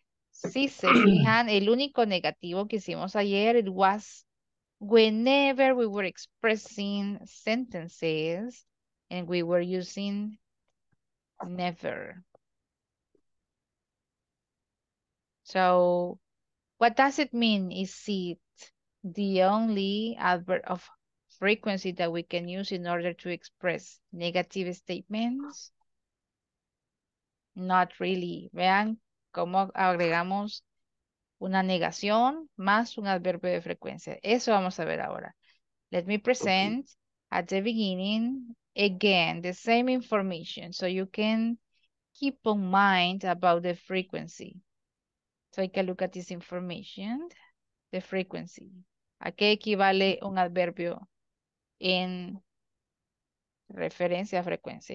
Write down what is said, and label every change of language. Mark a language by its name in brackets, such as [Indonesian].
[Spanish] Si se fijan, el único negativo que hicimos ayer, [English] it was whenever we were expressing sentences and we were using never. So, what does it mean? Is it the only adverb of frequency that we can use in order to express negative statements? Not really. [Spanish] Vean cómo agregamos una negación más un adverbio de frecuencia. Eso vamos a ver ahora. [English] Let me present at the beginning again the same information so you can keep on mind about the frequency. Take a look at this information. The frequency. [Spanish] ¿A qué equivale un adverbio en referencia a frecuencia?